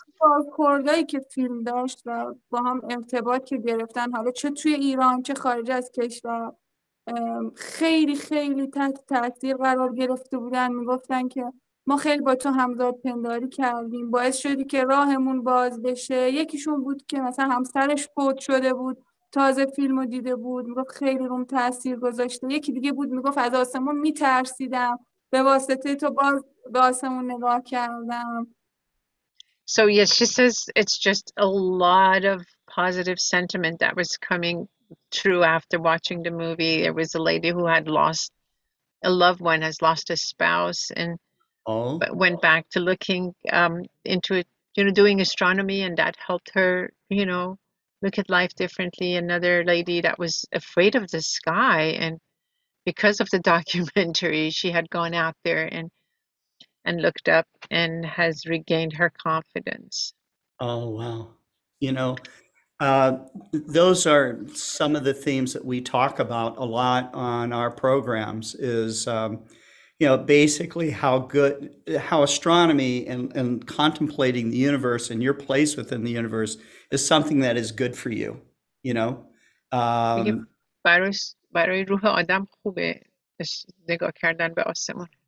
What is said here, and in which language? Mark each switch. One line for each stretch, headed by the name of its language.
Persian: کارکردهایی که فیلم داشت و با هم ارتباط که گرفتن حالا چه توی ایران چه خارج از کشور خیلی خیلی تحت تاثیر قرار گرفته بودن میگفتن که ما خیلی با تو همزاد پنداری کردیم باعث شدی که راهمون باز بشه یکیشون بود که مثلا همسرش فوت شده بود تازه فیلمو دیده بود میگفت خیلی روم تاثیر گذاشته یکی دیگه بود میگفت از آسمون میترسیدم به واسطه تو باز به آسمون نگاه کردم.
English: So yes, she says it's just a lot of positive sentiment that was coming through after watching the movie. There was a lady who had lost a loved one has lost a spouse and Oh. went back to looking into it, you know, doing astronomy, and that helped her, you know, look at life differently. Another lady that was afraid of the sky, and because of the documentary, she had gone out there and looked up and has regained her confidence. Oh, wow. Those are some of the themes that we talk about a lot on our programs is basically how astronomy and contemplating the universe and your place within the universe is something that is good for you,
Persian: برای روح آدم خوبه نگاه کردن به آسمان.